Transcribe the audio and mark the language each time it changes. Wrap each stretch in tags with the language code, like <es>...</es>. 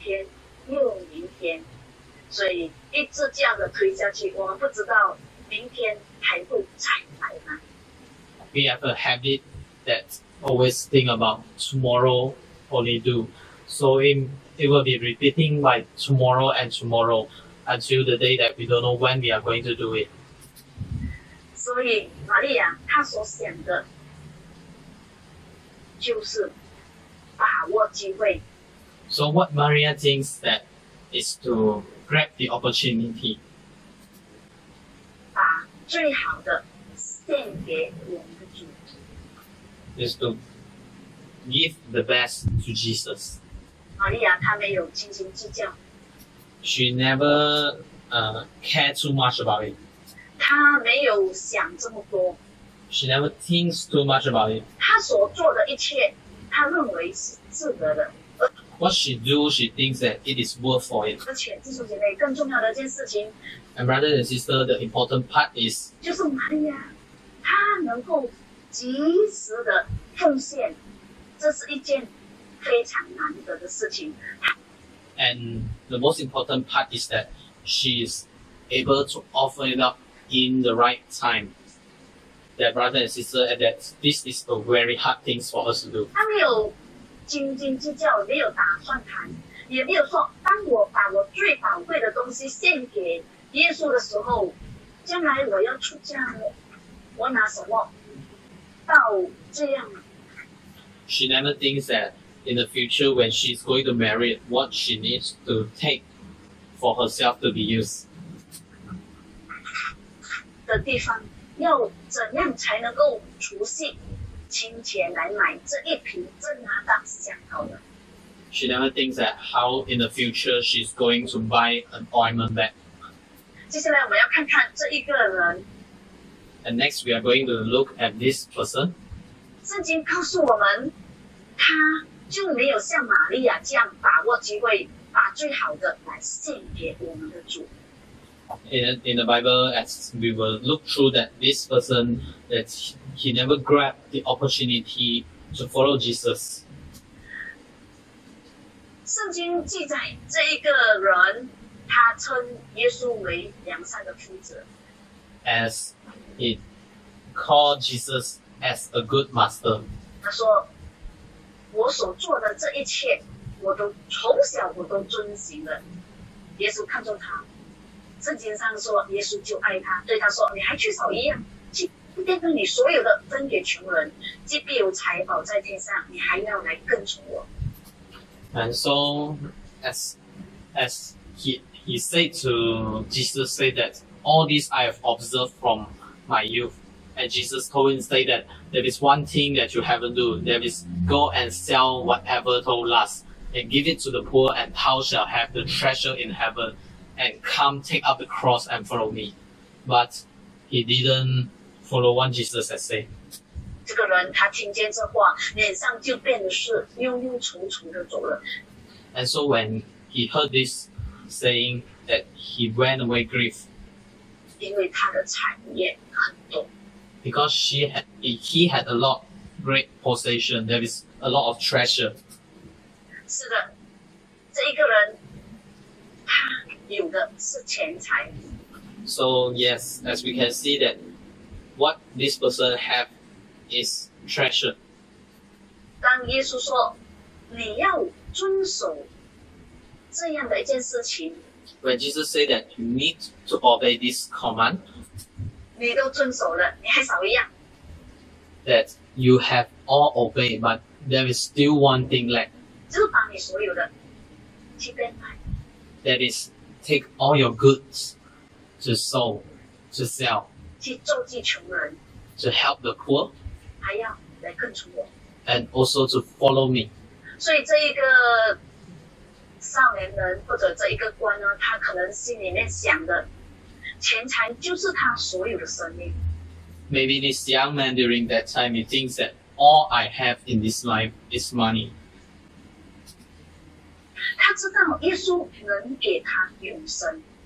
<zh>我们也知道什么是应该做的，但是我们最大的毛病呢，就是我们要等到明天，明天又明天。所以一直这样的推下去，我们不知道明天还会再来吗？</zh> <en>We have a habit that always think about tomorrow only do. So it will be repeating by tomorrow and tomorrow until the day that we don't know when we are going to do it.</en> <zh>所以玛利亚她所想的就是把握机会。</zh> <en>So what Maria thinks that is to grab the opportunity,</en> <zh>把最好的献给我们的主，</zh> <en>is to give the best to Jesus.</en> <zh>玛利亚她没有斤斤计较，</zh> <en>she never care too much about it.</en> <zh>她没有想这么多，</zh> <en>she never thinks too much about it.</en> <zh>她所做的一切她认为是值得的。</zh> <en>What she do, she thinks that it is worth for it.</en> <zh>而且弟兄姐妹，更重要的一件事情，</zh> <en>and brother and sister, the important part is,</en> <zh>就是玛利亚她能够及时的奉献，这是一件非常难得的事情。</zh> <en>And the most important part is that she is able to offer it up in the right time. That brother and sister, and that this is a very hard thing for us to do.</en> <zh>她没有斤斤计较，没有打算谈，也没有说当我把我最宝贵的东西献给耶稣的时候，将来我要出嫁了，我拿什么？到这样。</zh> <en>She never thinks that in the future when she's going to marry, what she needs to take for herself to be used.</en> <zh>的地方，要怎样才能够储蓄？金钱来买这一瓶正拿到想要的。</zh> <en>She never thinks that how in the future she's going to buy an ointment bag.</en> <zh>接下来我们要看看这一个人。</zh> <en>And next we are going to look at this person.</en> <zh>圣经告诉我们，他就没有像玛利亚这样把握机会，把最好的来献给我们的主。</zh> <en>In the Bible, as we will look through that this person, that he never grabbed the opportunity to follow Jesus.</en> <zh>圣经记载这一个人，他称耶稣为良善的夫子。</zh> <en>As he called Jesus as a good master.</en> <zh>他说，我所做的这一切，我都从小我都遵行了。耶稣看中他。圣经上说，耶稣就爱他，对他说：“你还缺少一样，去变更你所有的，分给穷人，即必有财宝在天上。你还要来跟从我。”</zh> <en>And so, as he said to Jesus, say that all this I have observed from my youth. And Jesus told him, say that there is one thing that you haven't do. There is go and sell whatever thou hast and give it to the poor, and thou shalt have the treasure in heaven. And come take up the cross and follow me. But he didn't follow what Jesus had said.</en> <zh>这个人他听见这话，脸上就变得是忧忧愁愁的走了。</zh> <en>And so when he heard this saying, that he went away grief.</en> <zh>因为他的产业很多。</zh> <en>Because he had a lot great possession, there is a lot of treasure.</en> <zh>是的，这一个人有的是钱财。</zh> <en>So yes, as we can see that what this person have is treasure.</en> <zh>当耶稣说你要遵守这样的一件事情，</zh> <en>When Jesus say that you need to obey this command,</en> <zh>你都遵守了，你还少一样。</zh> <en>That you have all obeyed, but there is still one thing left.</en> <zh>就把你所有的去变卖。</zh> <en>That is,take all your goods to sell, to sell,</en> <zh>去救济穷人,</zh> <en>to help the poor,</en> <zh>还要来跟从我,</zh> <en>and also to follow me.</en> <zh>所以这一个少年人或者这一个官呢，他可能心里面想的，钱财就是他所有的生命。</zh> <en>Maybe this young man during that time, he thinks that all I have in this life is money.</en> <zh>他知道耶稣能给他永生。</zh>